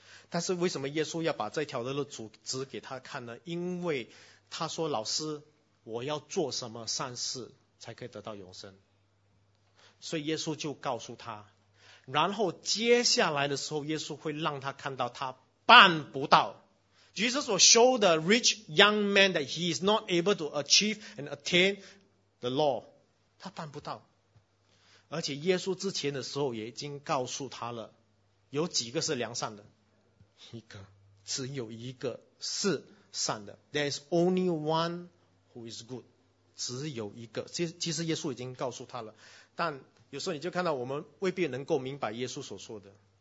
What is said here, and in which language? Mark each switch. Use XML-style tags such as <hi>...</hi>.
<zh>但是为什么耶稣要把这条的路指给他看呢？因为他说，老师，我要做什么善事才可以得到永生？所以耶稣就告诉他，然后接下来的时候，耶稣会让他看到他办不到。</zh> <en>Jesus will show the rich young man that he is not able to achieve and attain the law.</en> <zh>他办不到。而且耶稣之前的时候也已经告诉他了，有几个是良善的？一个，只有一个是善的。</zh> <en>There is only one who is good.</en> <zh>只有一个。其实耶稣已经告诉他了，但有时候你就看到我们未必能够明白耶稣所说的。</zh>